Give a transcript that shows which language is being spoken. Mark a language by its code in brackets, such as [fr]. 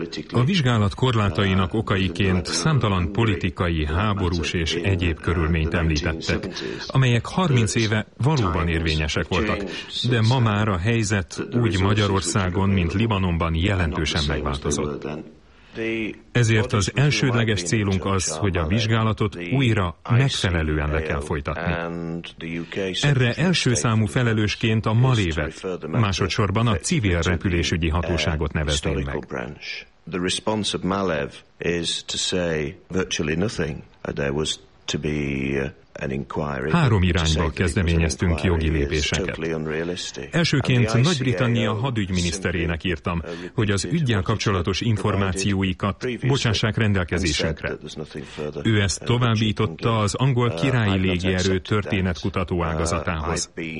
[hu] A vizsgálat korlátainak okaiként számtalan politikai, háborús és egyéb körülményt említettek, amelyek 30 éve valóban érvényesek voltak, de ma már a helyzet úgy Magyarországon, mint Libanonban jelentősen megváltozott. Ezért az elsődleges célunk az, hogy a vizsgálatot újra megfelelően le kell folytatni. Erre első számú felelősként a MALÉV-et, másodszorban a civil repülésügyi hatóságot nevezték meg. [en] The response of MALÉV is to say virtually nothing. There was to be an inquiry. [hu] Három irányba kezdeményeztünk jogi lépéseket. Elsőként Nagy-Britannia hadügyminiszterének írtam, hogy az üggyel kapcsolatos információikat bocsássák rendelkezésünkre. Ő ezt továbbította az angol királyi légierő történetkutató ágazatához.